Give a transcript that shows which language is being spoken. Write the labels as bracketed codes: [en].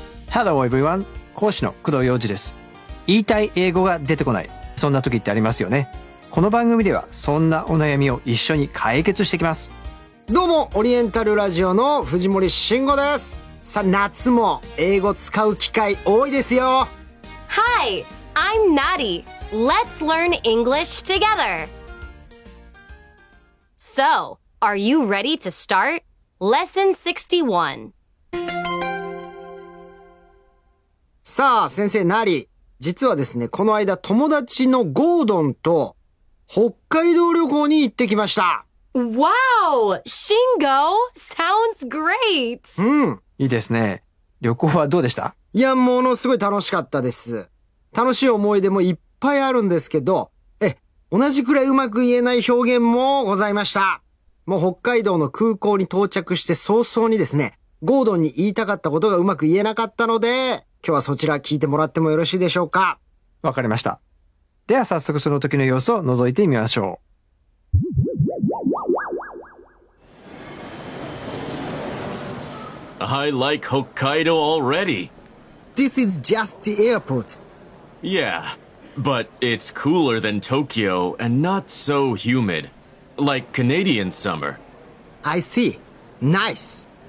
[en] Hello everyone、 [ja] 講師の工藤陽次です。言いたい英語が出てこない、そんな時ってありますよね。この番組ではそんなお悩みを一緒に解決していきます。どうも、オリエンタルラジオの藤森慎吾です。さあ、夏も英語使う機会多いですよ。 [en] Hi, I'm Nadi. Let's learn English together. So, are you ready to start? Lesson 61. [ja] さあ、先生、Nadi、実はですね、この間友達のゴードンと北海道旅行に行ってきました。 [en] Wow! Shingo! Sounds great! [ja] うん、いいですね。旅行はどうでした？いや、ものすごい楽しかったです。楽しい思い出もいっぱいあるんですけど、同じくらいうまく言えない表現もございました。もう北海道の空港に到着して早々にですね、ゴードンに言いたかったことがうまく言えなかったので、今日はそちら聞いてもらってもよろしいでしょうか？わかりました。では早速その時の様子を覗いてみましょう。 [en] I like Hokkaido already. This is just the airport. Yeah, but it's cooler than Tokyo and not so humid, like Canadian summer. I see. Nice.